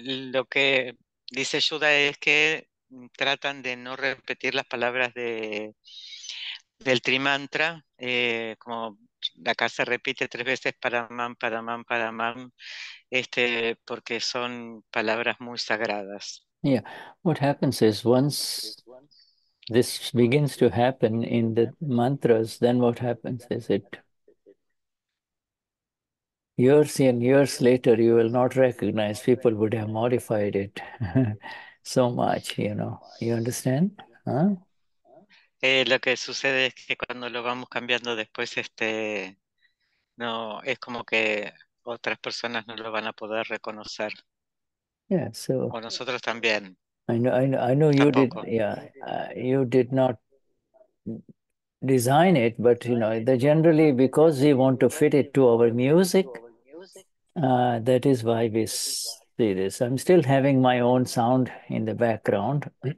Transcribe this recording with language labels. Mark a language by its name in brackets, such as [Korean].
[Spanish] Lo que dice Shuddha es que tratan de no repetir las palabras de del trimantra, como acá se repite tres veces paramam, paramam, paramam, porque son palabras muy sagradas. [English] Yeah, what happens is once this begins to happen in the mantras, then what happens is it years and years later you will not recognize, people would have modified it so much, you know. You understand? [Spanish] Lo que sucede es que cuando lo vamos cambiando después, no, es como que otras personas no lo van a poder reconocer. [English] Yeah, so [Spanish] o nosotros también. [English] I know you did. Yeah, you did not design it, but you know, the generally because we want to fit it to our music, that is why we see this. I'm still having my own sound in the background.